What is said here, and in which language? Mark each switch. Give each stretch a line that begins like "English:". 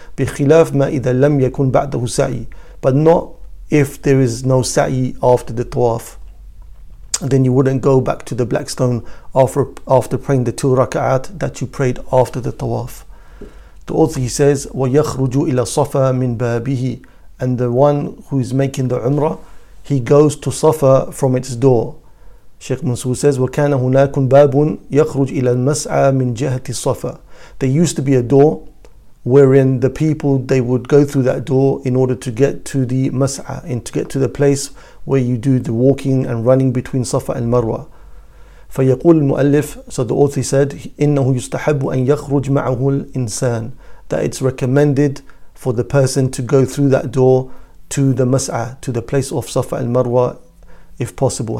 Arabic: بِخِلَافِ مَا إِذَا لَمْ يَكُنْ بَعْدَهُ سَعِي,
English: but not if there is no sa'i after the tawaf, then you wouldn't go back to the black stone after praying the two raka'at that you prayed after the tawaf. The author, he says,
Arabic: وَيَخْرُجُ إِلَى صَفَى مِنْ بَابِهِ,
English: and the one who is making the umrah, he goes to Safa from its door. Sheikh Mansour says,
Arabic: وَكَانَ هُنَاكُنْ بَابٌ يَخْرُجْ إِلَى الْمَسْعَى مِنْ جَهَةِ الصَّفَى.
English: There used to be a door wherein the people, they would go through that door in order to get to the Mas'a, and to get to the place where you do the walking and running between Safa and Marwa.
Arabic: فَيَقُولْ الْمُؤَلِّفُ,
English: so the author said,
Arabic: إِنَّهُ يُسْتَحَبُّ أَن يَخْرُجْ مَعَهُ الْإِنسَانِ,
English: that it's recommended for the person to go through that door to the Mas'a, to the place of Safa and Marwa, if possible.